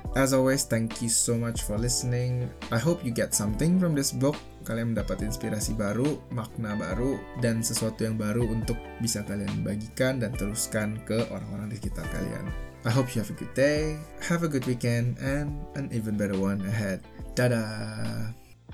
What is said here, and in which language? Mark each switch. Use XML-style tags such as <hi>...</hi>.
<en>As always, thank you so much for listening. I hope you get something from this book.</en> <id>Kalian mendapat inspirasi baru, makna baru, dan sesuatu yang baru untuk bisa kalian bagikan dan teruskan ke orang-orang di sekitar kalian.</id> <en>I hope you have a good day, have a good weekend, and an even better one ahead. Dadah!</en>